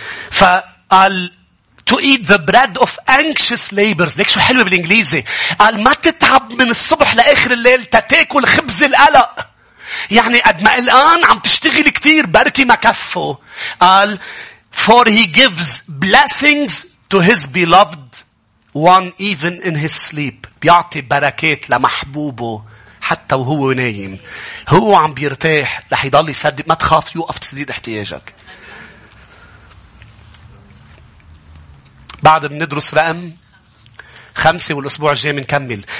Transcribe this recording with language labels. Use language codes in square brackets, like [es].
[ar] فقال [en] To eat the bread of anxious labors. [ar] ليك شو حلوة بالإنجليزي. قال ما تتعب من الصبح لآخر الليل تتاكل خبز القلق. يعني قد ما الآن عم تشتغل كتير بركي ما كفه. قال [en] For he gives blessings to his beloved one even in his sleep. [ar] بيعطي بركات لمحبوبه حتى وهو نايم. هو عم بيرتاح لح يضل يصدق. ما تخاف يوقف تسديد احتياجك. بعد بندرس رقم 5 والأسبوع الجاي منكمل.